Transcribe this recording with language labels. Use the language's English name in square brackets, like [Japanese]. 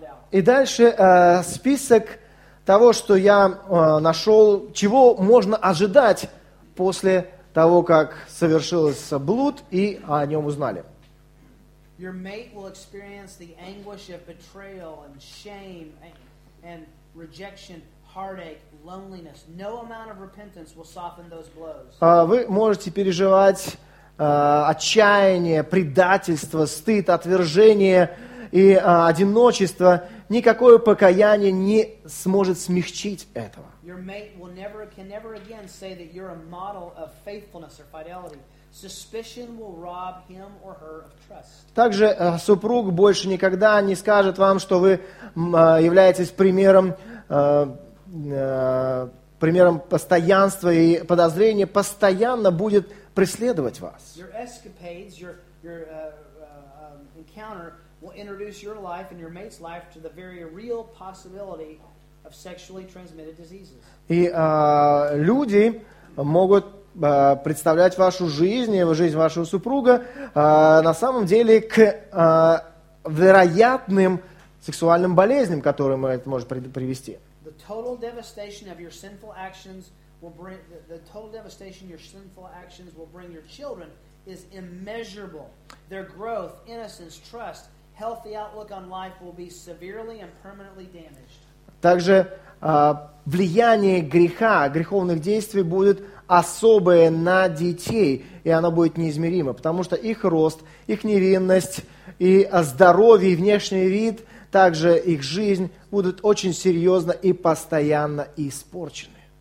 [Russian] И дальше список того, что я нашел, чего можно ожидать после того, как совершился блуд и о нем узнали. [English] Your mate will experience the anguish of betrayal and shame and rejection, heartache, loneliness. No amount of repentance will soften those blows. [Russian] Вы можете переживать отчаяние, предательство, стыд, отвержение и одиночество. Никакое покаяние не сможет смягчить этого. [English] Your mate will never, can never again say that you're a model of faithfulness or fidelity. Suspicion will rob him or her of trust. [Russian] Также супруг больше никогда не скажет вам, что вы являетесь примером постоянства, и подозрение постоянно будет преследовать вас. [English] Your escapades, encounter will introduce your life and your mate's life to the very real possibility of sexually transmitted diseases. [Russian] И люди могут представлять вашу жизнь и жизнь вашего супруга на самом деле к вероятным сексуальным болезням, которые это может привести. [English] The total devastation your sinful actions will bring your children is immeasurable. Their growth, innocence, trust, healthy outlook on life will be severely and permanently damaged. [Russian] Также влияние греха, греховных действий будет особое на детей, и оно будет неизмеримо, потому что их рост, их невинность, и здоровье, и внешний вид, также их жизнь будут очень серьезно и постоянно испорчены.